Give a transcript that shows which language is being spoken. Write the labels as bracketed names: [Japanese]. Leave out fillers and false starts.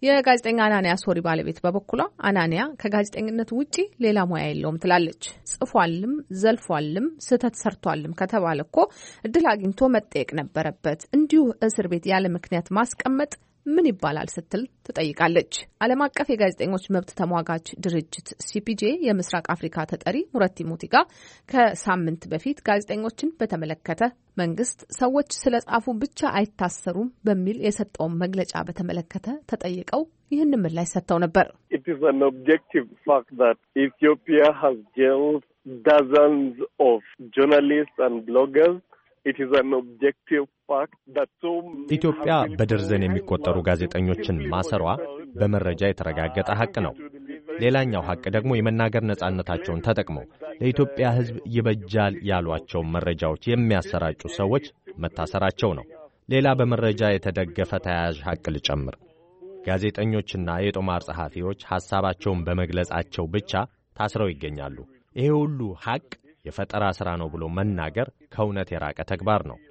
[Amharic] የጋዜጠኛ አናንያ ሶሪ ባለቤት በበኩሏ አናንያ ከጋዜጠኝነት ውጪ ሌላ ሙያ የለውም ትላለች። ጽፏልም ዘልፏልም ስህተት ሰርቷልም ከተባለ እኮ እድል አግኝቶ መጠየቅ ነበረበት። እንዲሁ እስር ቤት ያለ ምክንያት ማስቀመጥ ምን ይባላል ስትል ትጠይቃለች። ዓለም አቀፍ የጋዜጠኞች መብት ተሟጋች ድርጅት ሲፒጄ የምስራቅ አፍሪካ ተጠሪ ሙረቲ ሙቲጋ ከሳምንት በፊት ጋዜጠኞችን በተመለከተ መንግስት ሰዎች ስለ ጻፉ ብቻ አይታሰሩም በሚል የሰጠውን መግለጫ በተመለከተ ተጠይቀው ይህን ምላሽ ሰጥተው ነበር። [English] It is an objective fact that Ethiopia has jailed dozens of journalists and bloggers. It is an objective fact that so [Amharic] ኢትዮጵያ በደርዘን የሚቆጠሩ ጋዜጠኞችን ማሰሯ በመረጃ የተረጋገጠ ሐቅ ነው። ሌላኛው ሐቅ ደግሞ የመናገር ነጻነታቸውን ተጠቅመው ለኢትዮጵያ ሕዝብ ይበጃል ያሏቸው መረጃዎች የሚያሰራጩ ሰዎች መታሰራቸው ነው። ሌላ በመረጃ የተደገፈ ተያዥ ሐቅ ልጨምር። ጋዜጠኞችና የጦማር ጸሐፊዎች ሐሳባቸውን በመግለጻቸው ብቻ ታስረው ይገኛሉ። ይሄ ሁሉ ሐቅ የፈጠራ ስራ ነው ብሎ መናገር ከእውነት የራቀ ተግባር ነው።